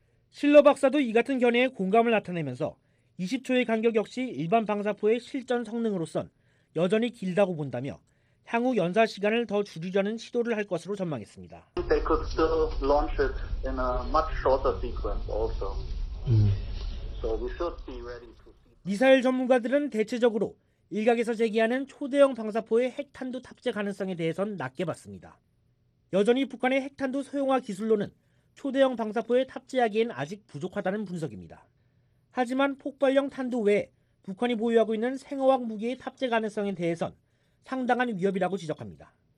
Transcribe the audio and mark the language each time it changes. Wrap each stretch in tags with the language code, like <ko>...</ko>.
<ko>실러 박사도 이 같은 견해에 공감을 나타내면서 20초의 간격 역시 일반 방사포의 실전 성능으로선 여전히 길다고 본다며 향후 연사 시간을 더 줄이려는 시도를 할 것으로 전망했습니다.</ko> <en>They could still launch it in a much shorter sequence also. So we should be ready to.</en> <ko>미사일 전문가들은 대체적으로 일각에서 제기하는 초대형 방사포의 핵탄두 탑재 가능성에 대해선 낮게 봤습니다. 여전히 북한의 핵탄두 소형화 기술로는 초대형 방사포에 탑재하기엔 아직 부족하다는 분석입니다. 하지만 폭발형 탄두 외에 북한이 보유하고 있는 생화학 무기의 탑재 가능성에 대해선 상당한 위협이라고 지적합니다.</ko>